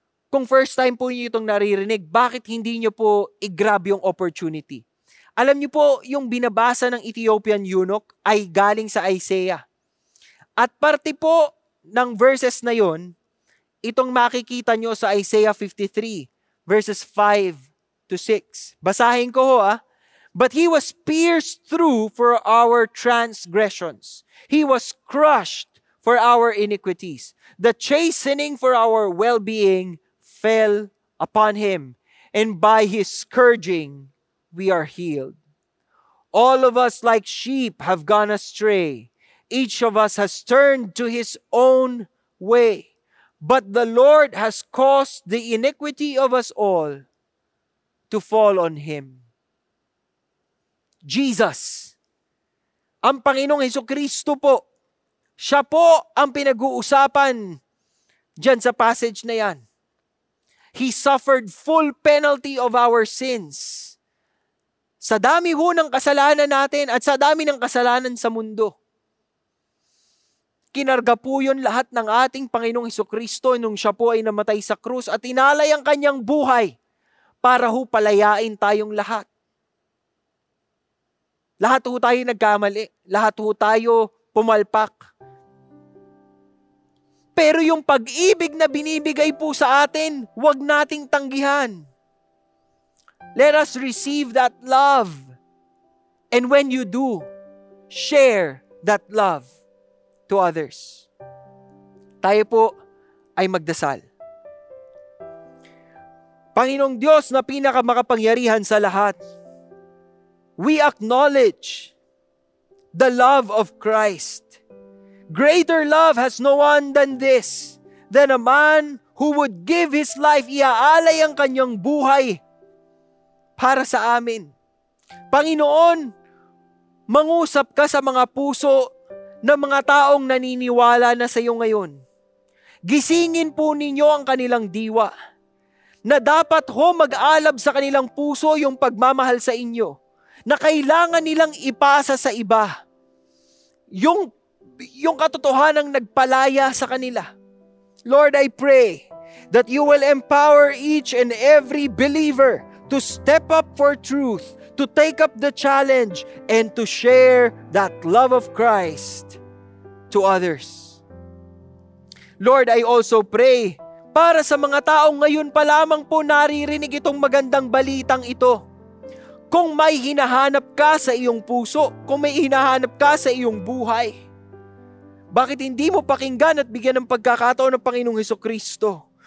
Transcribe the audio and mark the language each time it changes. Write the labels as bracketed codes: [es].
[tl] Kung first time po niyo itong naririnig, bakit hindi niyo po i-grab yung opportunity? Alam niyo po, yung binabasa ng Ethiopian eunuch ay galing sa Isaiah. At parte po ng verses na yon, itong makikita niyo sa Isaiah 53, verses 5 to 6. Basahin ko ho ah. [en] But he was pierced through for our transgressions. He was crushed for our iniquities. The chastening for our well-being fell upon him, and by his scourging we are healed. All of us like sheep have gone astray. Each of us has turned to his own way. But the Lord has caused the iniquity of us all to fall on him. [tl] Jesus, ang Panginoong Hesukristo po, siya po ang pinag-uusapan dyan sa passage na yan. [en] He suffered full penalty of our sins. [tl] Sa dami ho ng kasalanan natin at sa dami ng kasalanan sa mundo. Kinarga po yun lahat ng ating Panginoong Hesukristo nung siya po ay namatay sa krus at inalay ang kanyang buhay para ho palayain tayong lahat. Lahat ho tayo nagkamali. Lahat ho tayo pumalpak. Pero yung pag-ibig na binibigay po sa atin, huwag nating tanggihan. [en] Let us receive that love. And when you do, share that love to others. [tl] tayo po ay magdasal. Panginoong Diyos na pinakamakapangyarihan sa lahat, [en] we acknowledge the love of Christ. Greater love has no one than this, than a man who would give his life, [tl] iaalay ang kanyang buhay para sa amin. Panginoon, mangusap ka sa mga puso ng mga taong naniniwala na sa iyo ngayon. Gisingin po ninyo ang kanilang diwa na dapat ho mag-alab sa kanilang puso yung pagmamahal sa inyo, na kailangan nilang ipasa sa iba yung katotohanan ng nagpalaya sa kanila. [en] Lord, I pray that you will empower each and every believer to step up for truth, to take up the challenge, and to share that love of Christ to others. [tl] Lord, [en] I also pray [tl] para sa mga taong ngayon pa lamang po naririnig itong magandang balitang ito. Kung may hinahanap ka sa iyong puso, kung may hinahanap ka sa iyong buhay, bakit hindi mo pakinggan at bigyan ng pagkakataon ng Panginoong Hesukristo?